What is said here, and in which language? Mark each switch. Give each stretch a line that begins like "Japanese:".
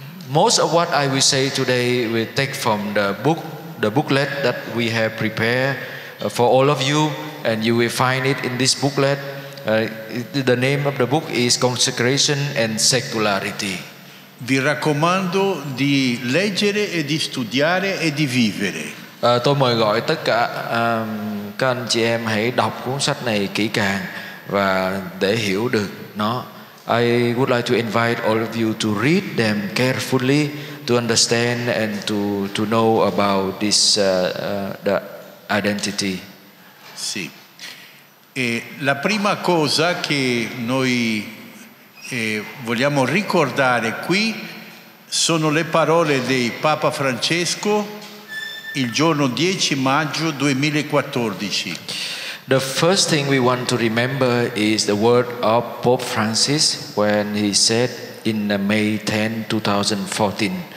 English: Most of what I will say today we take from the booklet that we have prepared for all of you, and you will find it in this booklet. The name of the book is Consecration and Secularity.
Italian: Vi raccomando di leggere e di studiare e di vivere.
Vietnamese: Tôi mời gọi tất cả các anh chị em hãy đọc cuốn sách này kỹ càng và để hiểu được nó.
English: I would like to invite all of you to read them carefully to understand and to know about this the identity.
Italian: Sì. E la prima cosa che noi vogliamo ricordare qui sono le parole di Papa Francesco il giorno 10 maggio 2014.
English: The first thing we want to remember is the word of Pope Francis when he said in May 10, 2014.